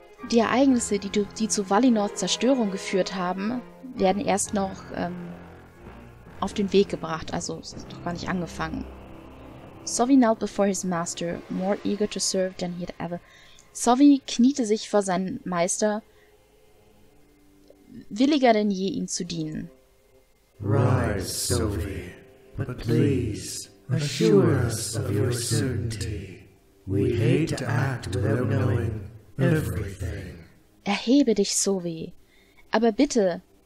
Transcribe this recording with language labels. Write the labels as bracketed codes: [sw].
[de] Die Ereignisse, die zu Valinors Zerstörung geführt haben, werden erst noch auf den Weg gebracht, also es ist noch gar nicht angefangen. [en] Sovi knelt before his master, more eager to serve than he had ever. [de] Sovi kniete sich vor seinem Meister, williger denn je, ihm zu dienen. [en] Rise, Sovi, but please assure us of your certainty. We hate to act without knowing everything. [de] Erhebe dich, Sovi, aber bitte.